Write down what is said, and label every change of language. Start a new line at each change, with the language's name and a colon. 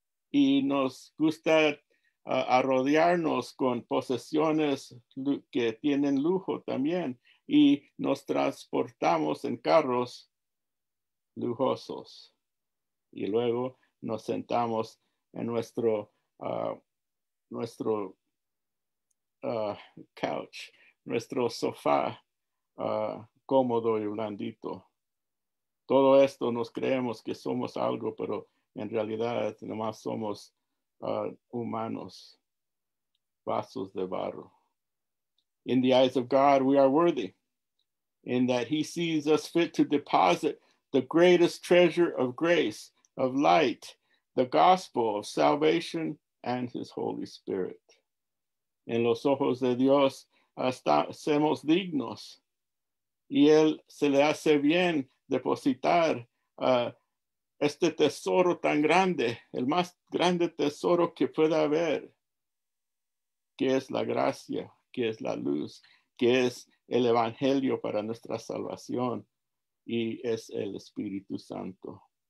Spanish: Y nos gusta a rodearnos con posesiones que tienen lujo también, y nos transportamos en carros lujosos, y luego nos sentamos en nuestro sofá cómodo y blandito. Todo esto nos creemos que somos algo, pero en realidad nomás somos humanos, vasos de barro.
English: In the eyes of God, we are worthy, in that he sees us fit to deposit the greatest treasure of grace, of light, the gospel of salvation, and his Holy Spirit.
Spanish: En los ojos de Dios, somos dignos, y él se le hace bien depositar este tesoro tan grande, el más grande tesoro que pueda haber, que es la gracia, que es la luz, que es el evangelio para nuestra salvación, y es el Espíritu Santo.